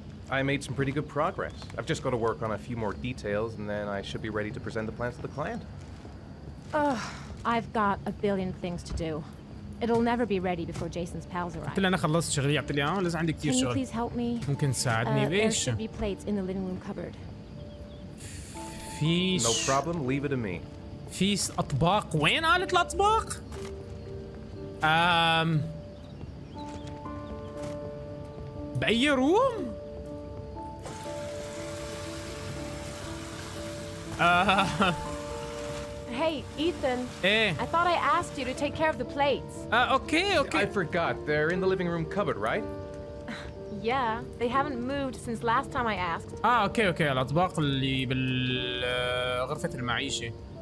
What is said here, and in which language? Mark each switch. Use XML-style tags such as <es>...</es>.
<en>I made some pretty good progress. I've just got to work on a few more details and then I should be ready to present the plans to the client. I've got a billion things to do. It'll never be ready before Jason's pals arrive.</en> <ar>قلت له انا خلصت شغلي، قلت له لازم عندي كثير شغل.</ar> <en>Can you please help me?</en> <ar>ممكن تساعدني بايش؟</ar> <en>There should be plates in the living room cupboard. No problem, leave it to me.</en> <ar>في اطباق، وين قالت الاطباق؟ باي روم؟</ar> <en>Hey, Ethan. Eh. I thought I asked you to take care of the plates. Okay. I forgot. They're in the living room cupboard, right? Yeah, they haven't moved since last time I asked. Okay.</en> <ar>الأطباق اللي بالغرفة المعيشة.</ar>